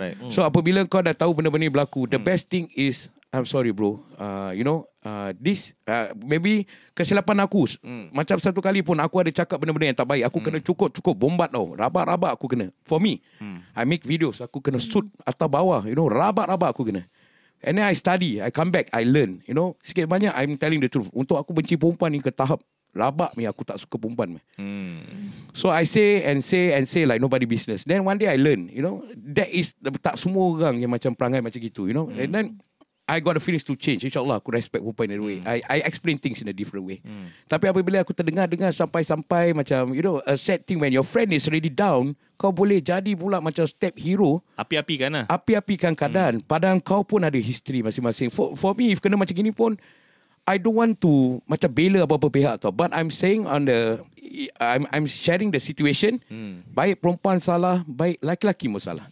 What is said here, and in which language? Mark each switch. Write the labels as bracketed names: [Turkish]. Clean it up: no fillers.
[Malay] So apabila kau dah tahu benda-benda ni berlaku, [English] the best thing is, I'm sorry bro, you know, [Malay] this, maybe kesilapan aku, macam satu kali pun aku ada cakap benda-benda yang tak baik, aku kena cukup bombat tau, rabak-rabak aku kena. [English] For me, I make videos, [Malay] aku kena shoot atas bawah, [English] you know, [Malay] rabak-rabak aku kena. [English] And then I study, I come back, I learn, you know. [Malay] Sikit banyak, [English] I'm telling the truth. [Malay] Untuk aku benci perempuan ni ke tahap rabak ni, aku tak suka perempuan. [English] So I say like nobody business. Then one day I learn, you know. [Malay] That is, tak semua orang yang macam perangai macam gitu, you know. [English] And then, I got a feeling to change. InsyaAllah, aku respect perempuan in a way. I explain things in a different way. [Malay] Tapi apabila aku terdengar-dengar sampai-sampai macam, [English] you know, a sad thing when your friend is already down, [Malay] kau boleh jadi pula macam [English] step hero. [Malay] Api-apikan lah. Api-apikan keadaan. Padahal kau pun ada history masing-masing. [English] For me, if [Malay] kena macam gini pun, [English] I don't want to [Malay] macam bela apa-apa pihak tau. [English] But I'm saying on the, I'm sharing the situation. [Malay] Baik perempuan salah, baik laki-laki pun salah.